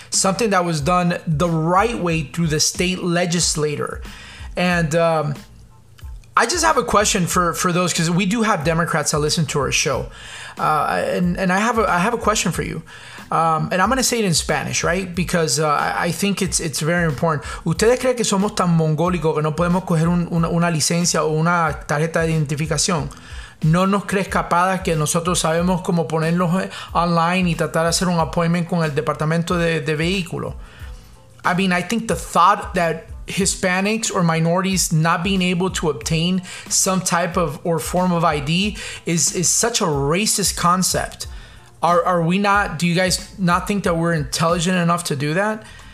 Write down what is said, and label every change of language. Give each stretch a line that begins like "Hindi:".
English: Something that was done the right way through the state legislator. And I just have a question for those, because we do have Democrats that listen to our show. And I have a question for you. And I'm going to say it in Spanish, right? Because I think it's very important.
Spanish: ¿Ustedes creen que somos tan mongólicos que no podemos coger una licencia o una tarjeta de identificación? ¿No nos crees capaces que nosotros sabemos cómo ponerlos online y tratar de hacer un appointment con el departamento de vehículo?
English: I mean, I think the thought that Hispanics or minorities not being able to obtain some type of or form of ID is such a racist concept. Are we not, do you guys not think that we're intelligent enough to do that?